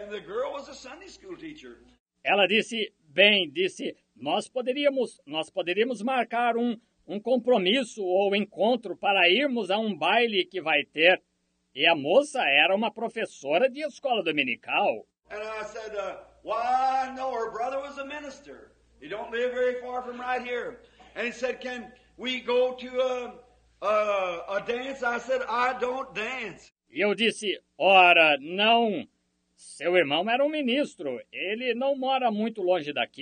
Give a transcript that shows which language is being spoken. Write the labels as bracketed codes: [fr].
[en] And the girl was a Sunday school teacher. [pt] Ela disse, bem, disse, nós poderíamos marcar um compromisso ou encontro para irmos a um baile que vai ter. E a moça era uma professora de escola dominical. [en] And I said, why, no, her brother was a minister. He don't live very far from right here. And he said, can we go to a dance? I said, I don't dance. [pt] E eu disse, ora, não. Seu irmão era um ministro, ele não mora muito longe daqui.